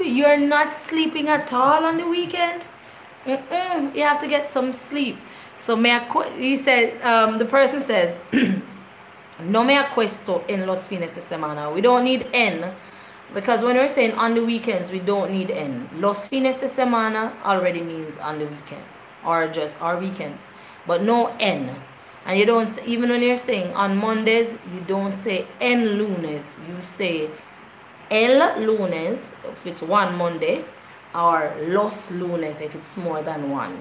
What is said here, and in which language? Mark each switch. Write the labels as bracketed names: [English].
[English] You're not sleeping at all on the weekend? You have to get some sleep. So [Spanish] me acuesto, [English] he said, the person says, [Spanish] No me acuesto en los fines de semana. [English] We don't need en, because when we're saying on the weekends, we don't need en. [Spanish] Los fines de semana [English] already means on the weekend or just our weekends, but no en. And you don't, even when you're saying on Mondays, you don't say [Spanish] en lunes. [English] You say [Spanish] el lunes [English] if it's one Monday, or [Spanish] los lunes [English] if it's more than one.